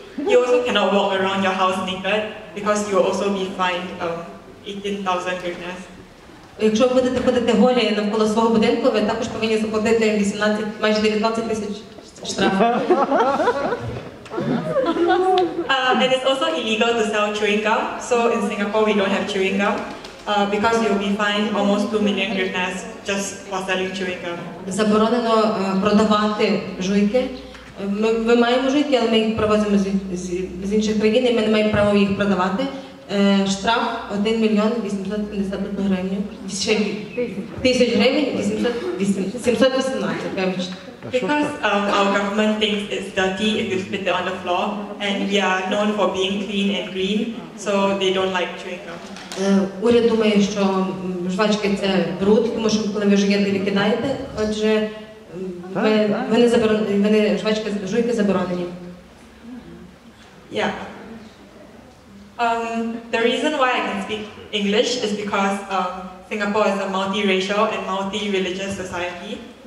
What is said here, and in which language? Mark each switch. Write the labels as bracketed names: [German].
[English] You also cannot walk around your house naked, because you will also be fined 18,000 гривнес. [Ukrainian] Якщо ви будете ходити голі навколо свого будинку, ви також повинні заплатити 18, майже 19 тисяч штрафів. [English] And it's also illegal to sell chewing gum, so in Singapore we don't have chewing gum. Because you'll be fined almost 2 million hryvnias just for selling chewing gum. [Ukrainian] Заборонено продавати жуйки. Ми маємо жуйки, але ми їх привозимо з інших країн, і ми не маємо права їх продавати. Штраф 1 мільйон 850 гривень. Тисяч гривень 718. [English] Because our government thinks it's dirty if you spit it on the floor, and we are known for being clean and green, so they don't like chewing gum. [Ukrainian] Уряд думає, що жвачки – це бруд, тому що коли ви жуєте, ви кидаєте. Отже, ви не жвачки, жуйки заборонені. [English] Yeah. The reason why I can speak English is because Singapore is a multi-racial and multi-religious society.